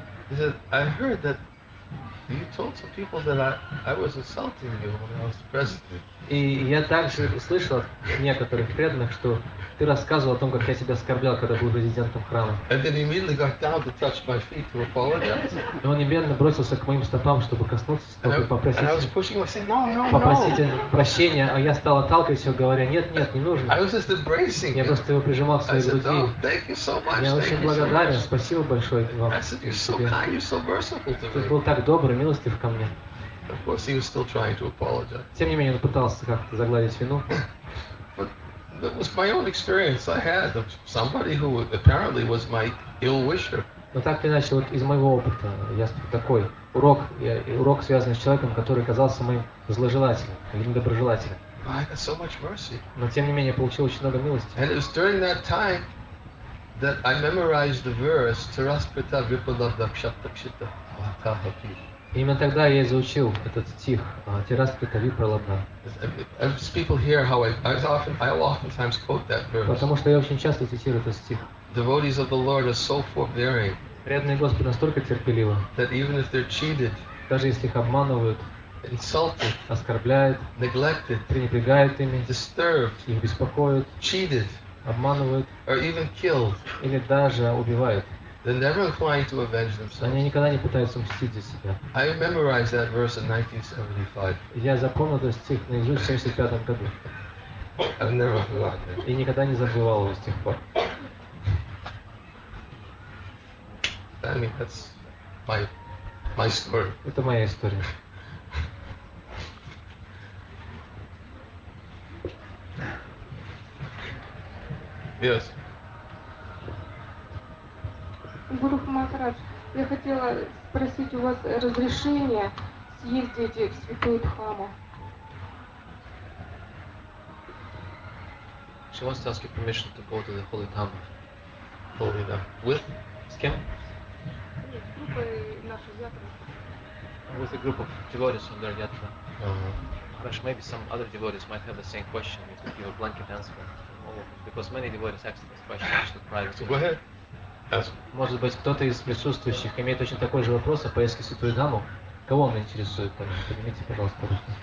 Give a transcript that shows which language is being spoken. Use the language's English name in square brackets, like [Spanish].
[English] He said, I heard that you told some people that I was insulting you when I was president. [Russian] И я также слышал от некоторых преданных, что ты рассказывал о том, как я тебя оскорблял, когда был президентом храма. [English] And then he immediately got down to touch my feet to apologize. [Russian] И он немедленно бросился к моим стопам, чтобы коснуться, чтобы попросить. [English] And I was pushing him, saying, no. [Russian] Попросить прощения, а я стал отталкивать его, говоря, нет, не нужно. [English] I was just embracing him. [Russian] Я просто его прижимал к своей груди. [English] I said, oh, thank you so much. [Russian] Я очень благодарен, спасибо большое вам. [English] I said, you're so kind, you're so merciful to me. [Russian] Ты был так добр и милостив ко мне. [English] Of course, he was still trying to apologize. [Russian] Тем не менее, он пытался как-то загладить вину. [English] But that was my own experience I had of somebody who apparently was my ill-wisher. [Russian] Но так или иначе, вот из моего опыта, я такой урок, связанный с человеком, который казался моим зложелателем или недоброжелателем. [English] But I got so much mercy. [Russian] Но тем не менее, получил очень много милости. [English] And it was during that time that I memorized the verse Taraspita Vipalabdakshatakshita Vatahaki. [Russian] Именно тогда я изучил этот стих Тираспита Випралабдха. [English] As people hear how I often quote that verse. [Russian] Потому что я очень часто цитирую этот стих. [English] Devotees of the Lord are so forbearing. [Russian] Преданные Господу настолько терпеливы. [English] That even if they're cheated, [Russian] даже если их обманывают, [English] insulted, [Russian] оскорбляют, [English] neglected, [Russian] пренебрегают ими, [English] disturbed, [Russian] их беспокоят, [English] cheated, [Russian] обманывают, [English] or even killed, [Russian] или даже убивают. [English] They're never inclined to avenge themselves. [Russian] Они никогда не пытаются мстить за себя. [English] I memorized that verse in 1975. [Russian] Я запомнил этот стих наизусть в 75 году. [English] I've never forgotten. [Russian] И никогда не забывал его с тех пор. [English] I mean, that's my story. [Russian] Это моя история. [English] Yes. [Russian] Гуру Махарадж, я хотела спросить у вас разрешение съездить в Святую Дхаму. [English] She wants to ask you permission to go to the Holy Dhamma. Holy Dhamma. With? [Russian] С кем? С группой нашей Ятры. [English] With a group of devotees on their Ятра. Perhaps maybe some other devotees might have the same question. You could give a blanket answer. Because many devotees ask this question, which is private. Go ahead. Ask. [Russian] Может быть, кто-то из присутствующих имеет точно такой же вопрос о поездке в Святую Даму. Кого он интересует? Поднимите, пожалуйста, руку.